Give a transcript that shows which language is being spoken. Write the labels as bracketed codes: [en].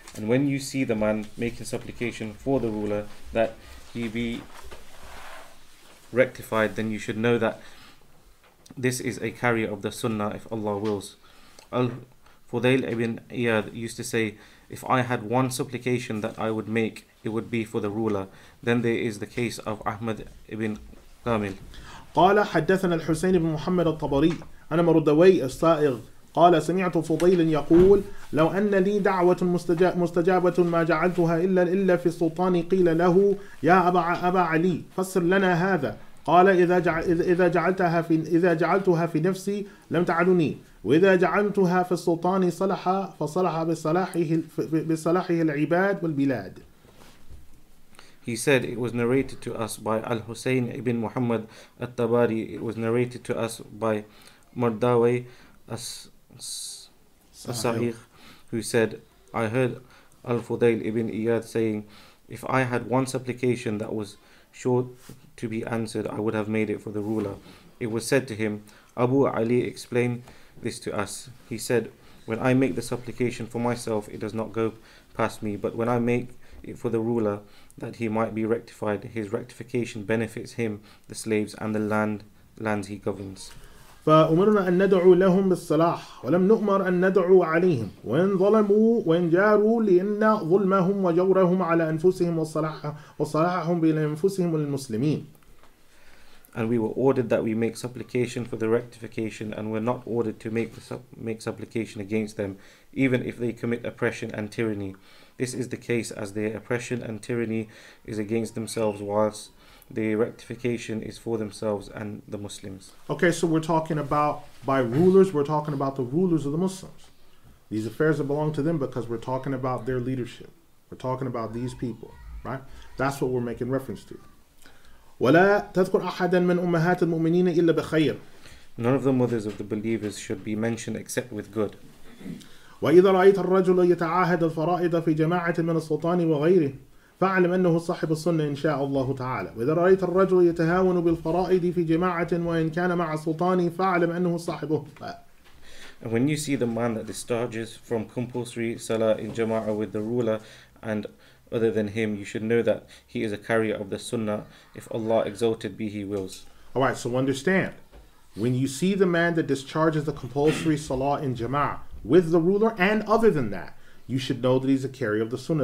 [en] And when you see the man making supplication for the ruler that he be rectified, then you should know that this is a carrier of the sunnah if Allah wills. Al-Fudayl ibn Iyad used to say, if I had one supplication that I would make, it would be for the ruler. Then there is the case of Ahmad ibn Kamil. [ar] قال حدثنا الحسين بن محمد الطبري أنا مردوي الصائغ قال سمعت فضيل يقول لو أن لي دعوة مستجابة ما جعلتها إلا في السلطان قيل له يا أبا علي فسر لنا هذا قال إذا جعلتها في نفسي لم تعلني وإذا جعلتها في السلطان صلح فصلح بصلاحه العباد والبلاد. [en] He said it was narrated to us by Al-Husayn ibn Muhammad al-Tabari. It was narrated to us by Mardawi al-Sahih, who said, I heard Al-Fudayl ibn Iyad saying, if I had one supplication that was sure to be answered, I would have made it for the ruler. It was said to him, Abu Ali explained this to us. He said, when I make the supplication for myself, it does not go past me, but when I make it for the ruler, that he might be rectified, his rectification benefits him, the slaves, and the lands he governs. [ar] فأمرنا أن ندعو لهم بالصلاح ولم نؤمر أن ندعو عليهم وإن ظلموا وإن جاروا لأن ظلمهم وجورهم على أنفسهم وصلاحهم بين أنفسهم والمسلمين. [en] And we were ordered that we make supplication for the rectification, and we're not ordered to make supplication against them, even if they commit oppression and tyranny. This is the case as their oppression and tyranny is against themselves, whilst the rectification is for themselves and the Muslims. Okay, so we're talking about by rulers, we're talking about the rulers of the Muslims. These affairs that belong to them because we're talking about their leadership. We're talking about these people, right? That's what we're making reference to. [ar] ولا تذكر أحدا من أمهات المؤمنين إلا بخير. [en] None of the mothers of the believers should be mentioned except with good. [ar] وإذا رأيت الرجل يتعاهد الفرائض في جماعة من السلطان وغيره فاعلم أنه صاحب السنة إن شاء الله تعالى. وإذا رأيت الرجل يتهاون بالفرائض في جماعة وإن كان مع السلطان فاعلم أنه صاحبه. [en] And when you see the man that discharges from compulsory salah in jama'a with the ruler and other than him, you should know that he is a carrier of the sunnah. If Allah exalted be, he wills. All right, so understand. When you see the man that discharges the compulsory salah in jama'ah with the ruler and other than that, you should know that he's a carrier of the sunnah.